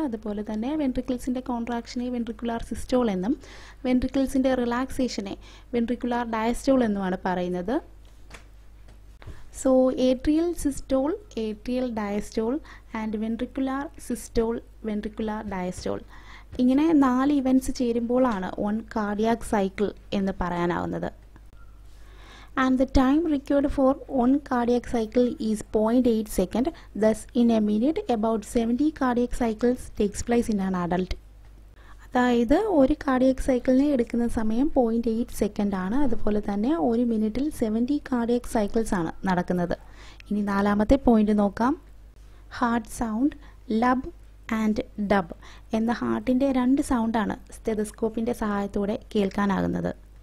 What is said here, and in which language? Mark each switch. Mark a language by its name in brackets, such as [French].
[Malayalam] അതുപോലെ തന്നെ വെൻട്രിക്കിൾസിൻ്റെ കോൺട്രാക്ഷനെ ventricular systole എന്നും വെൻട്രിക്കിൾസിൻ്റെ റിലാക്സേഷനെ വെൻട്രിക്കുലാർ ഡയസ്റ്റോൾ എന്നുമാണ് പറയുന്നത്. So atrial systole atrial diastole and ventricular systole ventricular diastole, ഇങ്ങനെ 4 ഇവൻറ്റ്സ് ചേരുമ്പോഴാണ് വൺ കാർഡിയാക് സൈക്കിൾ എന്ന് പറയാനാവുന്നത്. [English] And the time required for one cardiac cycle is 0.8 second. Thus, in a minute, about 70 cardiac cycles takes place in an adult. [Malayalam] അതായത് ഒരു cardiac സൈക്കിളിനെ എടുക്കുന്ന സമയം 0.8 second ആണ്. അതുപോലെ തന്നെ ഒരു മിനിറ്റിൽ 70 കാർഡിയക് സൈക്കിൾസ് ആണ് നടക്കുന്നത്. ഇനി നാലാമത്തെ പോയിന്റ് നോക്കാം. Heart sound Labh and dub എന്ന ഹാർട്ടിൻ്റെ രണ്ട് സൗണ്ടാണ് സ്റ്റെതസ്കോപ്പിൻ്റെ സഹായത്തോടെ കേൾക്കാനാകുന്നത്.